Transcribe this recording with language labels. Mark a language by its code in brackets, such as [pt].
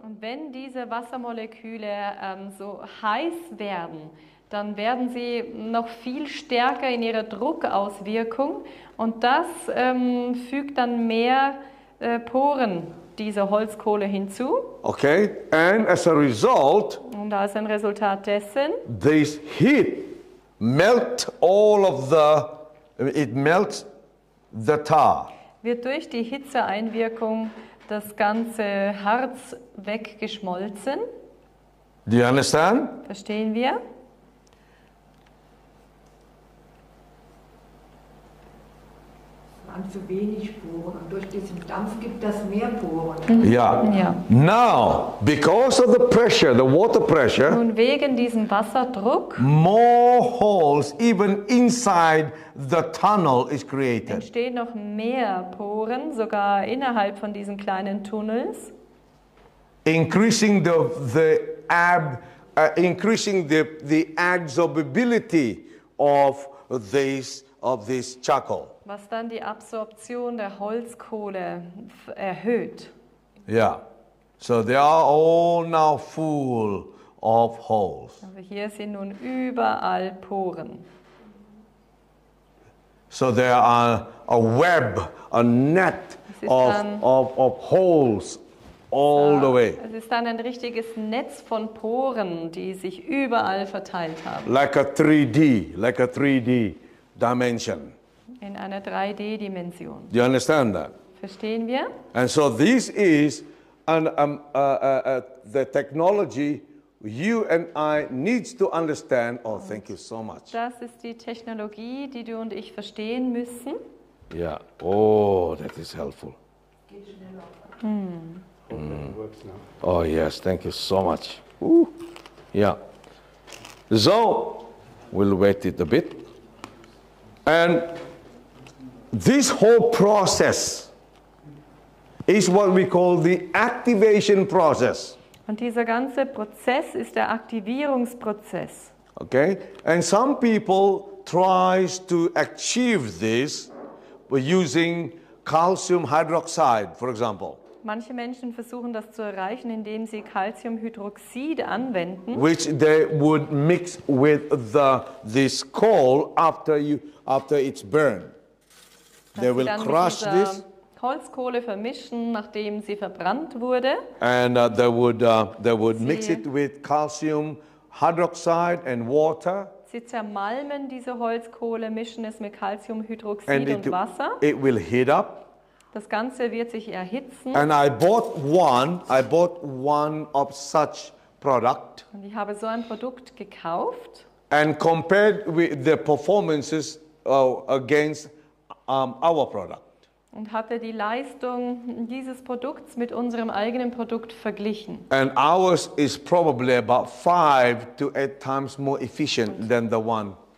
[de] Und wenn diese Wassermoleküle so heiß werden, dann werden sie noch viel stärker in ihrer Druckauswirkung und das fügt dann mehr Poren dieser Holzkohle hinzu. [en] Okay, and as a result, [de] und als ein Resultat dessen, [en] this heat melts all of the, it melts the tar. [de] Wird durch die Hitzeeinwirkung das ganze Harz weggeschmolzen. [en] Do you understand? [de] Verstehen wir? [en] Yeah. [de] an zu wenig bohren. Und durch diesen Dampf gibt das mehr Bohren. Ja. Ja. [en] Now, because of the pressure, the water pressure. [de] Nun wegen diesem Wasserdruck. [en] More holes, even inside the tunnel, is created. [de] Entstehen noch mehr Poren, sogar innerhalb von diesen kleinen Tunnels. [en] Increasing the absorbability of this charcoal. [de] Was dann die Absorption der Holzkohle erhöht. [en] Yeah. So they are all now full of holes. [de] Also hier sind nun überall Poren. [en] So there are a web, a net of holes. All the way. [de] Es ist dann ein richtiges Netz von Poren, die sich überall verteilt haben. [en] Like a 3D dimension. [de] In einer 3D-Dimension. [en] Do you understand that? [de] Verstehen wir? [en] And so this is the technology you and I need to understand. Oh, thank you so much. [de] Das ist die Technologie, die du und ich verstehen müssen. [en] Yeah. Oh, that is helpful. [de] Geht schneller. [en] Oh yes, thank you so much. Ooh. Yeah. So, we'll wait it a bit. And this whole process is what we call the activation process. [de] Und dieser ganze Prozess ist der Aktivierungsprozess. [en] Okay? And some people tries to achieve this by using calcium hydroxide, for example. [de] Manche Menschen versuchen das zu erreichen, indem sie Calciumhydroxid anwenden. [en] Which they would mix with this coal after it's burned. They will crush this. [de] Holzkohle vermischen, nachdem sie verbrannt wurde. [en] And they would mix it with calcium hydroxide and water. [de] Sie zermalmen diese Holzkohle, mischen es mit Calciumhydroxid und Wasser. [en] It will heat up. [de] Das Ganze wird sich erhitzen. [en] And I bought one of such product. [de] Und ich habe so ein Produkt gekauft. [en] And compared with the performances against our product. [de] Und hatte die Leistung dieses Produkts mit unserem eigenen Produkt verglichen. [en] And ours is probably about 5 to 8 times more efficient than the one.